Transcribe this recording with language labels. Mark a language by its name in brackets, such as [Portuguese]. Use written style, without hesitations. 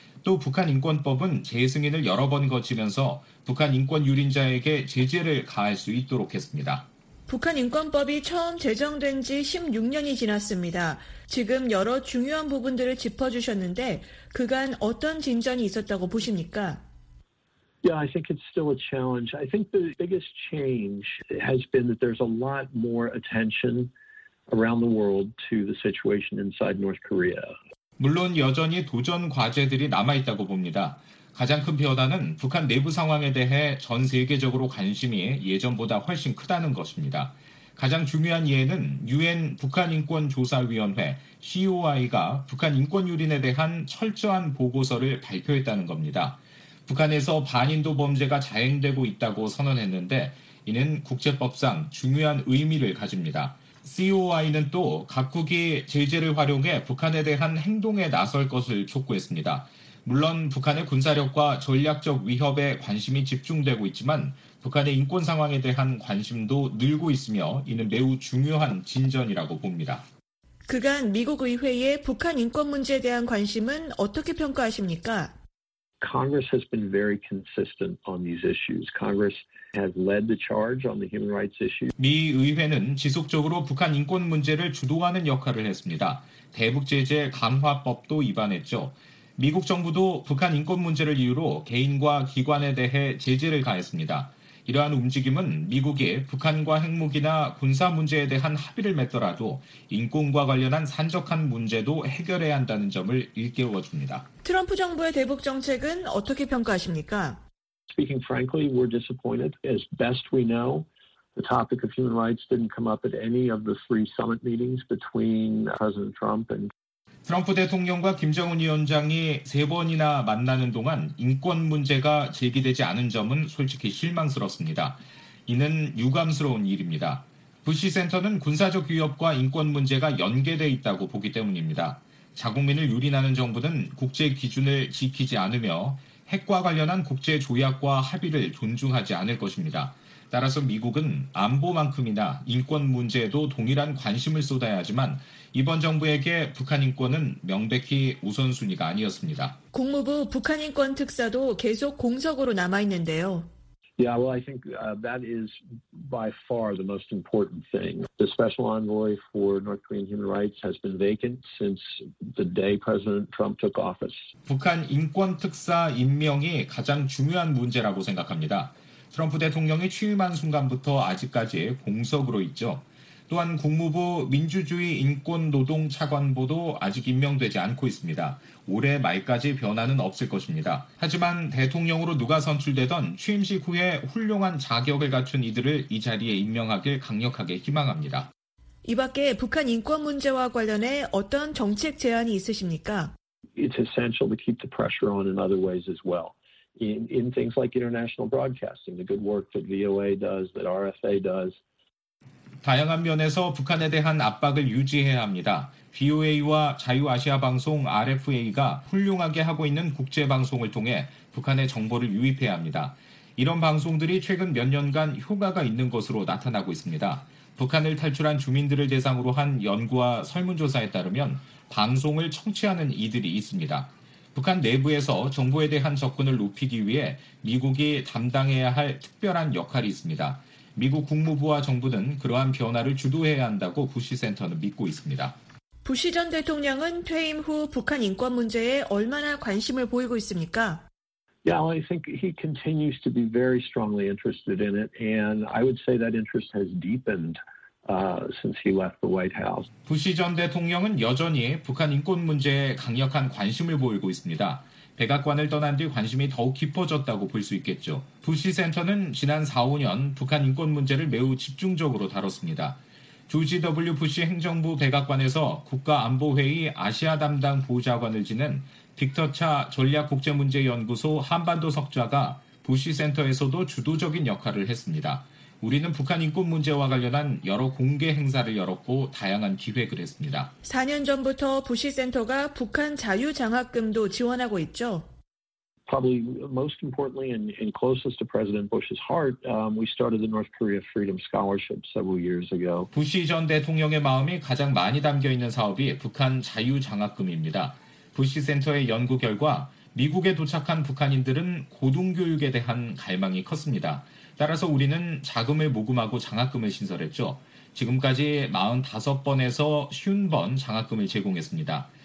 [Korean] 또 북한 인권법은 재승인을 여러 번 거치면서 북한 인권 유린자에게 제재를 가할 수 있도록 했습니다. 북한 인권법이 처음 제정된 지 16년이 지났습니다. 지금 여러 중요한 부분들을 짚어주셨는데 그간 어떤 진전이 있었다고 보십니까? [English] Yeah, I think it's still a challenge. I think the biggest change has been that there's a lot more attention around the world to the situation inside North Korea. [Korean] 물론 여전히 도전 과제들이 남아있다고 봅니다. 가장 큰 변화는 북한 내부 상황에 대해 전 세계적으로 관심이 예전보다 훨씬 크다는 것입니다. 가장 중요한 예는 UN 북한인권조사위원회 COI가 북한 인권 유린에 대한 철저한 보고서를 발표했다는 겁니다. 북한에서 반인도 범죄가 자행되고 있다고 선언했는데 이는 국제법상 중요한 의미를 가집니다. COI는 또 각국이 제재를 활용해 북한에 대한 행동에 나설 것을 촉구했습니다. 물론 북한의 군사력과 전략적 위협에 관심이 집중되고 있지만 북한의 인권 상황에 대한 관심도 늘고 있으며 이는 매우 중요한 진전이라고 봅니다. 그간 미국 의회의 북한 인권 문제에 대한 관심은 어떻게 평가하십니까? [English] Congress has been very consistent on these issues. Congress has led the charge on the human rights issue. [Korean] 미 의회는 지속적으로 북한 인권 문제를 주도하는 역할을 했습니다. 대북 제재 강화법도 입안했죠. 미국 정부도 북한 인권 문제를 이유로 개인과 기관에 대해 제재를 가했습니다. 이러한 움직임은 미국이 북한과 핵무기나 군사 문제에 대한 합의를 맺더라도 인권과 관련한 산적한 문제도 해결해야 한다는 점을 일깨워줍니다. 트럼프 정부의 대북 정책은 어떻게 평가하십니까? [English] Speaking frankly, we're disappointed. As best we know, the topic of human rights didn't come up at any of the three summit meetings between President Trump and [Korean] 트럼프 대통령과 김정은 위원장이 세 번이나 만나는 동안 인권 문제가 제기되지 않은 점은 솔직히 실망스럽습니다. 이는 유감스러운 일입니다. 부시 센터는 군사적 위협과 인권 문제가 연계돼 있다고 보기 때문입니다. 자국민을 유린하는 정부는 국제 기준을 지키지 않으며 핵과 관련한 국제 조약과 합의를 존중하지 않을 것입니다. 따라서 미국은 안보만큼이나 인권 문제에도 동일한 관심을 쏟아야 하지만 이번 정부에게 북한 인권은 명백히 우선순위가 아니었습니다. 국무부 북한 인권 특사도 계속 공석으로 남아 있는데요. [English] Yeah, well, I think that is by far the most important thing. The special envoy for North Korean human rights has been vacant since the day President Trump took office. [Korean] 북한 인권 특사 임명이 가장 중요한 문제라고 생각합니다. 트럼프 대통령이 취임한 순간부터 아직까지 공석으로 있죠. 또한 국무부 민주주의 인권노동차관보도 아직 임명되지 않고 있습니다. 올해 말까지 변화는 없을 것입니다. 하지만 대통령으로 누가 선출되던 취임식 후에 훌륭한 자격을 갖춘 이들을 이 자리에 임명하길 강력하게 희망합니다. 이 밖에 북한 인권 문제와 관련해 어떤 정책 제안이 있으십니까? [English] It's essential to keep the pressure on in other ways as well. In things like international broadcasting, the good work that VOA does, that RFA does. [Korean] 다양한 면에서 북한에 대한 압박을 유지해야 합니다. VOA와 자유아시아 방송 RFA가 훌륭하게 하고 있는 국제방송을 통해 북한의 정보를 유입해야 합니다. 이런 방송들이 최근 몇 년간 효과가 있는 것으로 나타나고 있습니다. 북한을 탈출한 주민들을 대상으로 한 연구와 설문조사에 따르면 방송을 청취하는 이들이 있습니다. 북한 내부에서 정보에 대한 접근을 높이기 위해 미국이 담당해야 할 특별한 역할이 있습니다. 미국 국무부와 정부는 그러한 변화를 주도해야 한다고 부시 센터는 믿고 있습니다. 부시 전 대통령은 퇴임 후 북한 인권 문제에 얼마나 관심을 보이고 있습니까? [English] Yeah, I think he continues to be very strongly interested in it, and I would say that interest has deepened since he left the White House. [Korean] 부시 전 대통령은 여전히 북한 인권 문제에 강력한 관심을 보이고 있습니다. 백악관을 떠난 뒤 관심이 더욱 깊어졌다고 볼 수 있겠죠. 부시 센터는 지난 4, 5년 북한 인권 문제를 매우 집중적으로 다뤘습니다. 조지 W. 부시 행정부 백악관에서 국가안보회의 아시아 담당 보좌관을 지낸 빅터 차 전략국제문제연구소 한반도 석좌가 부시 센터에서도 주도적인 역할을 했습니다. 우리는 북한 인권 문제와 관련한 여러 공개 행사를 열었고 다양한 기획을 했습니다. 4년 전부터 부시 센터가 북한 자유 장학금도 지원하고 있죠. [English] Probably most importantly and closest to President Bush's heart, we started the North Korea Freedom Scholarship several years ago. [Korean] 부시 전 대통령의 마음이 가장 많이 담겨 있는 사업이 북한 자유 장학금입니다. 부시 센터의 연구 결과 미국에 도착한 북한인들은 고등교육에 대한 갈망이 컸습니다. 따라서 우리는 자금을 모금하고 장학금을 신설했죠. 지금까지 45번에서 50번 장학금을 제공했습니다.